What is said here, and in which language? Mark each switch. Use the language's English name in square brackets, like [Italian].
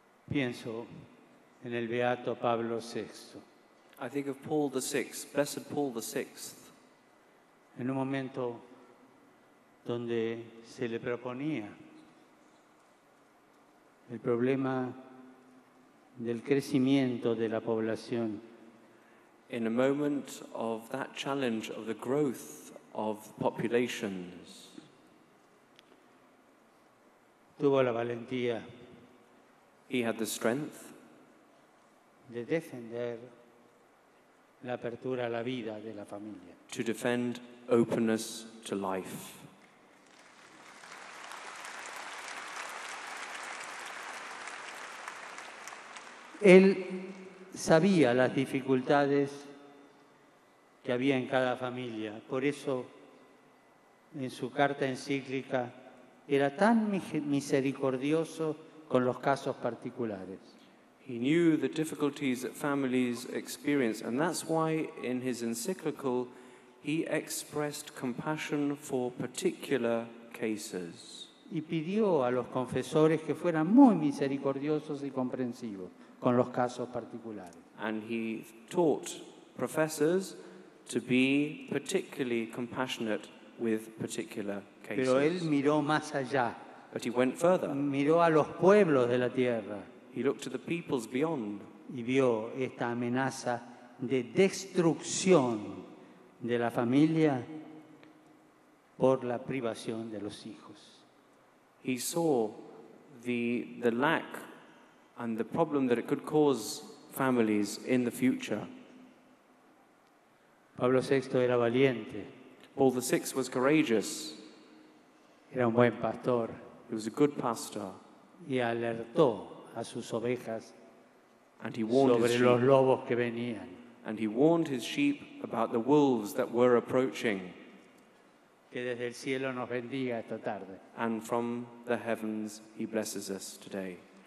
[Spanish] Pienso en el Beato Pablo VI. [English] I think of Paul the Sixth, Blessed Paul the Sixth. [Spanish] En un momento donde se le proponía el problema del crecimiento de la población. [English] In a moment of that challenge of the growth of populations. [Spanish] Tuvo la valentía. [English] He had the strength. [Spanish] De defender la apertura a la vida de la familia. [English] To defend openness to life. [Spanish] Él sabía las dificultades que había en cada familia. Por eso, en su carta encíclica, era tan misericordioso con los casos particulares. [English] He knew the difficulties that families experience, and that's why in his encyclical he expressed compassion for particular cases. [Spanish] Y pidió a los confesores que fueran muy misericordiosos y comprensivos con los casos particulares. [English] And he taught professors to be particularly compassionate with particular cases. [Spanish] Pero él miró más allá. [English] But he went further. [Spanish] Miró a los pueblos de la tierra. [English] He looked to the peoples beyond. [Spanish] Y vio esta amenaza de destrucción de la familia por la privación de los hijos. [English] He saw the lack and the problem that it could cause families in the future. [Spanish] Pablo VI era valiente. [English] Paul the Sixth was courageous. [Spanish] Era un buen pastor. [English] He was a good pastor. [Spanish] Y alertó a sus ovejas [English] and he warned [Spanish] sobre [English] his [Spanish] los lobos que venían. [English] And he warned his sheep about the wolves that were approaching. [Spanish] Que desde el cielo nos bendiga esta tarde. [English] And from the heavens he blesses us today.